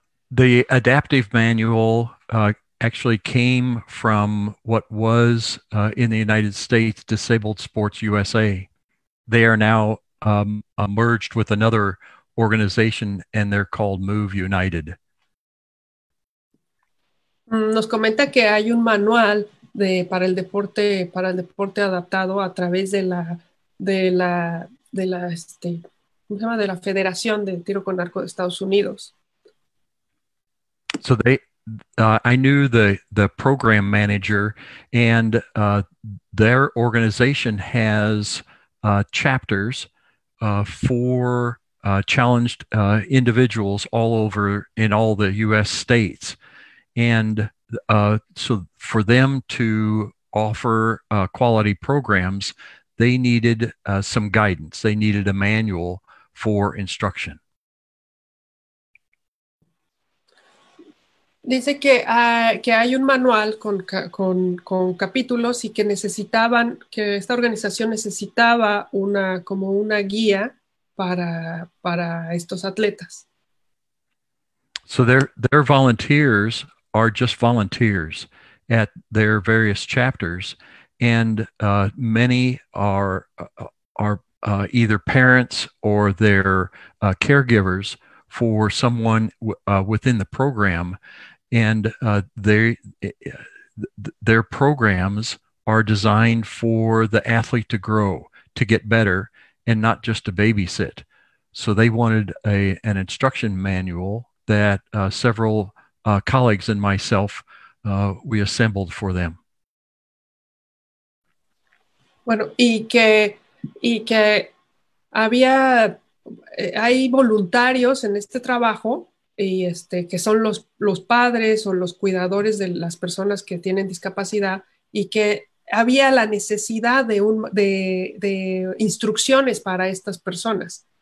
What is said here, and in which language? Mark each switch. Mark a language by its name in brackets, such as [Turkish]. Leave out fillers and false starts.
[English] The adaptive manual actually came from what was in the United States Disabled Sports USA. They are now merged with another organization, and they're called Move United. [Spanish] Nos comenta que hay un manual para el deporte adaptado a través de la Federación de Tiro con Arco de Estados Unidos. [English] So they, I knew the program manager, and their organization has chapters for challenged individuals all over in all the U.S. states. And so for them to offer quality programs, they needed some guidance. They needed a manual for instruction. [Spanish] Dice que hay un manual con capítulos y que necesitaban, que esta organización necesitaba una como una guía para estos atletas. [English] So their volunteers are just volunteers at their various chapters, and many are either parents or their caregivers for someone within the program. And their programs are designed for the athlete to grow, to get better, and not just to babysit. So they wanted an instruction manual that several colleagues and myself, we assembled for them. [Spanish] Bueno, y que hay voluntarios en este trabajo, y que son los padres o los cuidadores de las personas que tienen discapacidad, y que había la necesidad de instrucciones para estas personas.